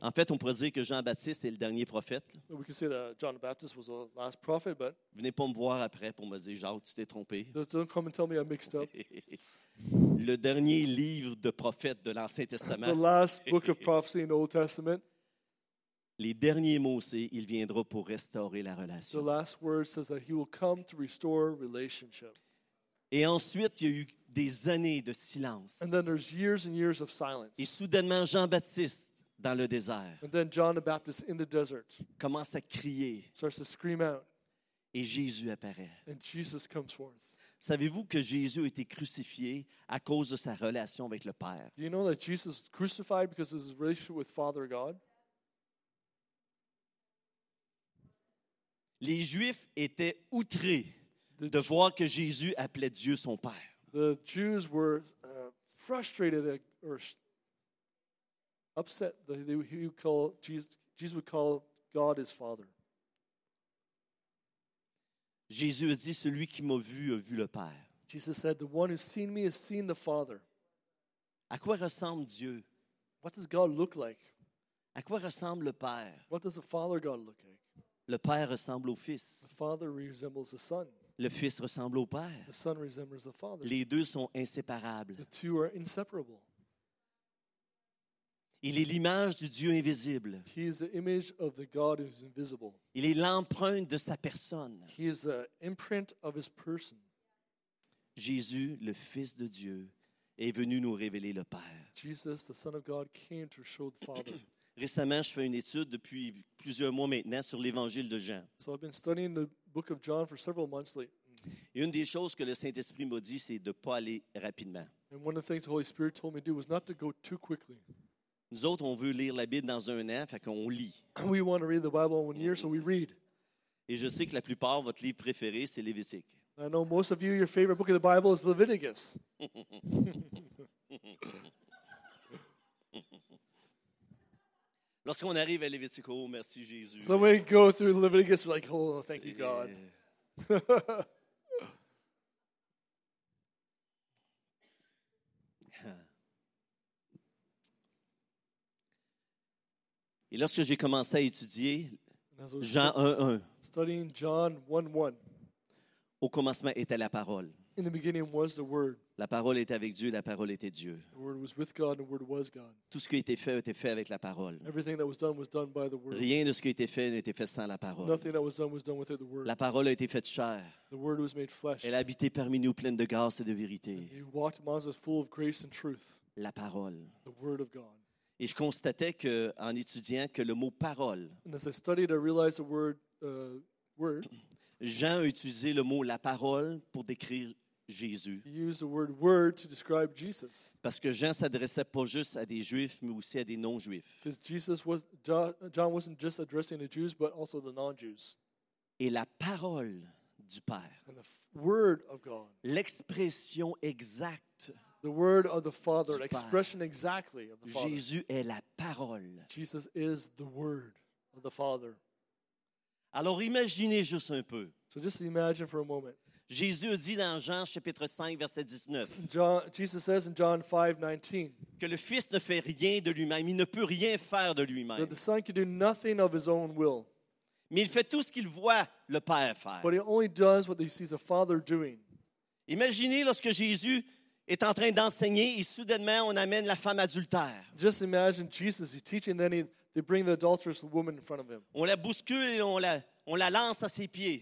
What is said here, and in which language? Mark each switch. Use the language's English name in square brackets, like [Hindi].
[French] En fait, on pourrait dire que Jean-Baptiste est le dernier prophète. [English] We can say that John the Baptist was the last prophet, but [French] venez pas me voir après pour me dire, Jacques, tu t'es trompé. [English] Don't come and tell me I'm mixed up. [French] Le dernier livre de prophète de l'Ancien Testament. [English] The last book of prophecy in the Old Testament. [French] Les derniers mots, c'est « Il viendra pour restaurer la relation. » [English] The last word says that he will come to restore relationship. [French] Et ensuite, il y a eu des années de silence. [English] And then there's years and years of silence. [French] Et soudainement, Jean-Baptiste dans le désert. [English] And then John the Baptist in the desert. [French] Commence à crier. [English] Starts to scream out. [French] Et Jésus apparaît. [English] And Jesus comes forth. [French] Savez-vous que Jésus a été crucifié à cause de sa relation avec le Père? [English] Do you know that Jesus was crucified because of his relationship with Father God? [French] Les Juifs étaient outrés de voir que Jésus appelait Dieu son Père. [English] The Jews were frustrated or upset that he would call Jesus would call God his Father. [French] Jésus a dit, celui qui m'a vu a vu le Père. [English] Jesus said, the one who's seen me has seen the Father. [French] À quoi ressemble Dieu? [English] What does God look like? [French] À quoi ressemble le Père? [English] What does the Father God look like? [French] Le Père ressemble au Fils. [English] The Father resembles the Son. [French] Le Fils ressemble au Père. [English] The Son resembles the Father. [French] Les deux sont inséparables. [English] The two are inseparable. [French] Il est l'image du Dieu invisible. [English] He is the image of the God who is invisible. [French] Il est l'empreinte de sa personne. [English] He is the imprint of his person. [French] Jésus, le Fils de Dieu, est venu nous révéler le Père. [English] Jesus, the Son of God, came to show the Father. [French] Récemment, je fais une étude depuis plusieurs mois maintenant sur l'Évangile de Jean. [English] So I've been studying the book of John for several months lately. [French] Et une des choses que le Saint-Esprit m'a dit, c'est de ne pas aller rapidement. [English] And one of the things the Holy Spirit told me to do was not to go too quickly. [French] Nous autres, on veut lire la Bible dans un an, fait qu'on lit. [English] We want to read the Bible in one year, so we read. [French] Et je sais que la plupart, votre livre préféré, c'est Lévitique. [English] I know most of you, your favorite book of the Bible is Leviticus. [French] Lorsqu'on arrive à Lévitique, oh, merci Jésus. [English] So we go through Leviticus, we're like, oh, thank you, God. [French] Et lorsque j'ai commencé à étudier Jean 1:1, [English] studying John 1:1, [French] au commencement était la parole. [English] In the beginning was the word. [French] La parole était avec Dieu, la parole était Dieu. [English] The word was with God and the word was God. [French] Tout ce qui était fait avec la parole. [English] Everything that was done by the word. [French] Rien de ce qui était fait n'était fait sans la parole. [English] Nothing that was done without the word. [French] La parole a été faite chair. [English] The word was made flesh. [French] Elle habitait parmi nous pleine de grâce et de vérité. [English] He walked among us full of grace and truth. [French] La parole. [English] The word of God. [French] Et je constatais que en étudiant que le mot parole. [English] And as I studied, I realized the word word. [French] Jean a utilisé le mot la parole pour décrire Jésus. [English] He used the word word to describe Jesus. [French] Parce que Jean s'adressait pas juste à des Juifs, mais aussi à des non-Juifs. [English] Because Jesus was John wasn't just addressing the Jews, but also the non-Jews. [French] Et la parole du Père. [English] And the word of God. [French] L'expression exacte. [English] The word of the Father, the expression exactly of the Father. [French] Jésus est la parole. [English] Jesus is the word of the Father. [French] Alors imaginez juste un peu. [English] So just imagine for a moment. [French] Jésus dit dans Jean chapitre 5 verset 19. [English] Jesus says in John 5:19 [French] que le Fils ne fait rien de lui-même, il ne peut rien faire de lui-même. [English] That the Son can do nothing of his own will. [French] Mais il fait tout ce qu'il voit le Père faire. [English] But he only does what he sees the Father doing. [French] Imaginez lorsque Jésus est en train d'enseigner et soudainement on amène la femme adultère. [English] Just imagine Jesus is teaching then they bring the adulterous woman in front of him. [French] On la bouscule et on la lance à ses pieds.